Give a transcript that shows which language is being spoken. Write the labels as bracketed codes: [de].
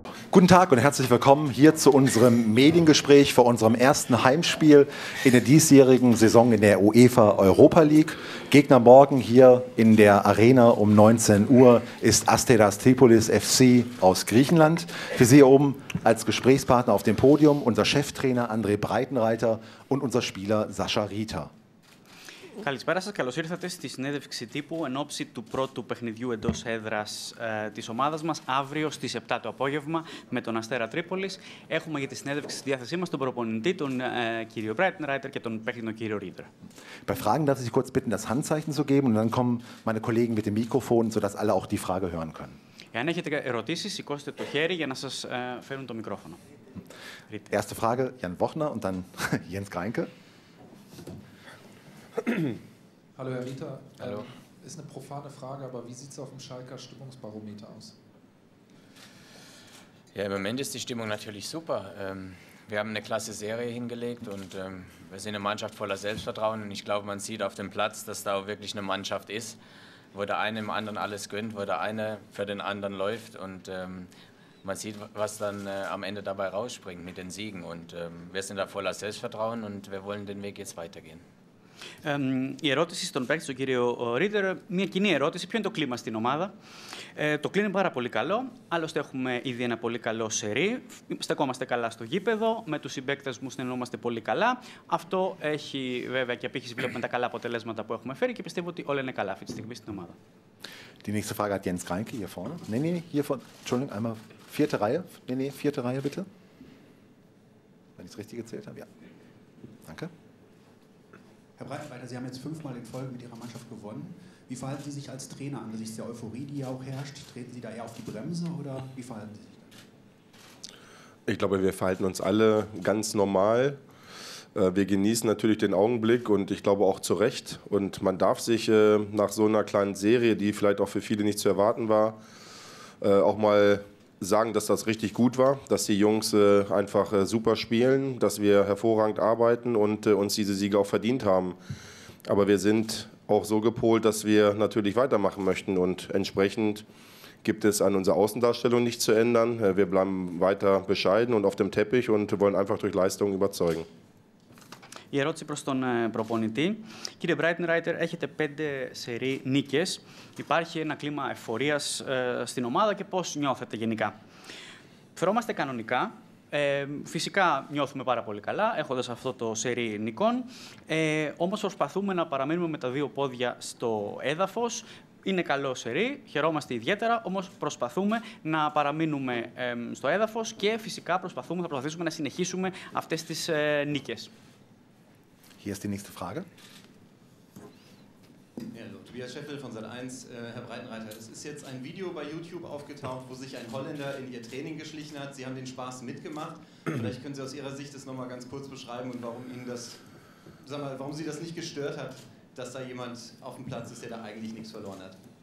[de] Guten Tag und herzlich willkommen hier zu unserem Mediengespräch vor unserem ersten Heimspiel in der diesjährigen Saison in der UEFA Europa League. Gegner morgen hier in der Arena um 19 Uhr ist Asteras Tripolis FC aus Griechenland. Für Sie oben als Gesprächspartner auf dem Podium unser Cheftrainer André Breitenreiter und unser Spieler Sascha Ritter. [el] Καλησπέρα σας, καλώς ήρθατε στη συνέντευξη τύπου εν ώψη του πρώτου παιχνιδιού εντός έδρας της ομάδας μας αύριο στις 7 το απόγευμα με τον Αστέρα Τρίπολης. Έχουμε για τη συνέντευξη στη διάθεσή μας τον προπονητή, τον κύριο Breitenreiter και τον παίχτη, τον κύριο Ρίδρα. [de] Bei Fragen darf ich kurz bitten, das Handzeichen zu geben und dann kommen meine Kollegen mit dem Mikrofon, sodass alle auch die Frage hören können. [el] Εάν έχετε ερωτήσεις, σηκώστε το χέρι για να σας φέρουν το μικρόφωνο. [de] Erste Frage, Jan Wochner und dann Jens Greinke. Hallo Herr Ritter, Hallo. Ist eine profane Frage, aber wie sieht es auf dem Schalker Stimmungsbarometer aus? Ja, im Moment ist die Stimmung natürlich super. Wir haben eine klasse Serie hingelegt und wir sind eine Mannschaft voller Selbstvertrauen. Und ich glaube, man sieht auf dem Platz, dass da auch wirklich eine Mannschaft ist, wo der eine dem anderen alles gönnt, wo der eine für den anderen läuft. Und man sieht, was dann am Ende dabei rausspringt mit den Siegen. Und wir sind da voller Selbstvertrauen und wir wollen den Weg jetzt weitergehen. [el] Η ερώτηση στον παίκτη, στον κύριο Ρίτερ, μια κοινή ερώτηση: ποιο είναι το κλίμα στην ομάδα? Το κλίμα είναι πάρα πολύ καλό. Άλλωστε, έχουμε ήδη ένα πολύ καλό σερί. Στεκόμαστε καλά στο γήπεδο. Με τους συμπαίκτες μου συνεννοούμαστε πολύ καλά. Αυτό έχει βέβαια και επίχυση. Βλέπουμε τα καλά αποτελέσματα που έχουμε φέρει και πιστεύω ότι όλα είναι καλά αυτή τη στιγμή στην ομάδα. [de] Die nächste Frage hat Jens Greinke hier vorne. Nee, hier vorne. Entschuldigung, einmal vierte Reihe. Nee, vierte Reihe bitte. Wenn ich es richtig gezählt habe, ja. Danke. Herr Breitenreiter, Sie haben jetzt fünfmal in Folge mit Ihrer Mannschaft gewonnen. Wie verhalten Sie sich als Trainer angesichts der Euphorie, die ja auch herrscht? Treten Sie da eher auf die Bremse oder wie verhalten Sie sich da? Ich glaube, wir verhalten uns alle ganz normal. Wir genießen natürlich den Augenblick und ich glaube auch zu Recht. Und man darf sich nach so einer kleinen Serie, die vielleicht auch für viele nicht zu erwarten war, auch mal sagen, dass das richtig gut war, dass die Jungs einfach super spielen, dass wir hervorragend arbeiten und uns diese Siege auch verdient haben. Aber wir sind auch so gepolt, dass wir natürlich weitermachen möchten und entsprechend gibt es an unserer Außendarstellung nichts zu ändern. Wir bleiben weiter bescheiden und auf dem Teppich und wollen einfach durch Leistungen überzeugen. [el] Η ερώτηση προς τον προπονητή. Κύριε Breitenreiter, έχετε 5 σερί νίκες. Υπάρχει ένα κλίμα εφορίας στην ομάδα και πώς νιώθετε γενικά? Φερόμαστε κανονικά. Φυσικά νιώθουμε πάρα πολύ καλά έχοντας αυτό το σερί νικών. Όμως προσπαθούμε να παραμείνουμε με τα δύο πόδια στο έδαφος. Είναι καλό σερί, χαιρόμαστε ιδιαίτερα, όμως προσπαθούμε να παραμείνουμε στο έδαφος και φυσικά προσπαθούμε, θα προσπαθήσουμε να συνεχίσουμε αυτές τις νίκες. [de] Hier ist die nächste Frage. Ja, also, Tobias Scheffel von Sat.1. Herr Breitenreiter, es ist jetzt ein Video bei YouTube aufgetaucht, wo sich ein Holländer in Ihr Training geschlichen hat. Sie haben den Spaß mitgemacht. Vielleicht können Sie aus Ihrer Sicht das nochmal ganz kurz beschreiben und warum Ihnen das, sag mal, warum Sie das nicht gestört hat, dass da jemand auf dem Platz ist, der da eigentlich nichts verloren hat.